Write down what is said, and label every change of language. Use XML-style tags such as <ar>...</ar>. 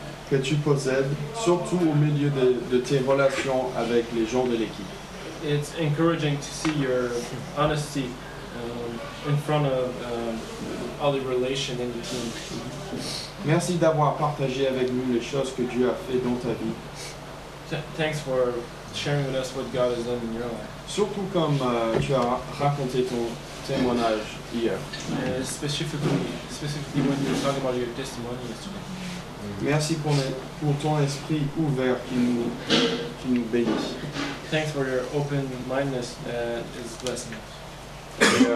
<fr>Que tu possèdes, surtout au milieu de tes relations avec les gens de l'équipe.</fr> <en>It's encouraging to see your honesty in front of all the relations in the team.</en> <fr>Merci d'avoir partagé avec nous les choses que Dieu a fait dans ta vie.</fr> <en>Thanks for sharing with us what God has done in your life.</en> <fr>Surtout comme tu as raconté ton témoignage hier.</fr> <en>Specifically when you're talking about your testimony yesterday.</en> <fr>Merci pour ton esprit ouvert qui nous bénit.</fr> <en>Thanks for your open mindedness is blessing us.</en>